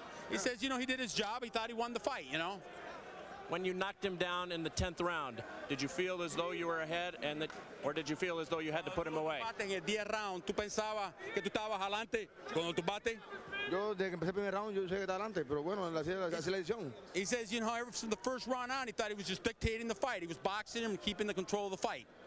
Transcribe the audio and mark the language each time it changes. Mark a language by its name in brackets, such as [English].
[English] He says, you know, he did his job. He thought he won the fight, you know? When you knocked him down in the 10th round, did you feel as though you were ahead, and that, or did you feel as though you had to put him away? [Spanish] En el 10 round, ¿tú pensabas que tú estabas adelante con el combate? Yo desde que empecé el primer round, yo sé que estaba adelante, pero bueno, en la decisión. [English] He says, you know, ever from the first round on, he thought he was just dictating the fight. He was boxing him and keeping the control of the fight.